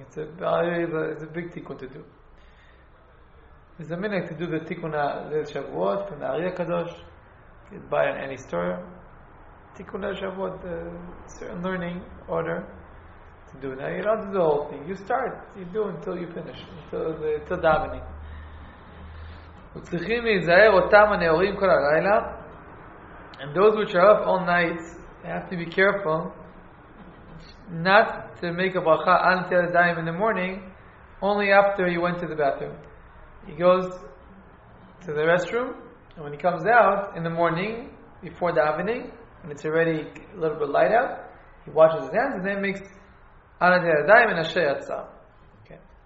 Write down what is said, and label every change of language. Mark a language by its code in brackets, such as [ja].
[en] It's a big tikkun to do. There's a minute to do the tikkun Leil Shavuot from the Ari HaKadosh. You can buy it in any store. Tikkun Leil Shavuot, a certain learning order to do. Now you don't do the whole thing. You start. You do until you finish. Until davening. [he] וצריכים להיזהר אותם הנאורים כל הלילה. [en] And those which are up all night, they have to be careful not to make a bracha until the time in the morning, only after he went to the bathroom. He goes to the restroom, and when he comes out in the morning, before the evening, when it's already a little bit light out, he washes his hands and then makes until the time in Asher Yatzah. Okay.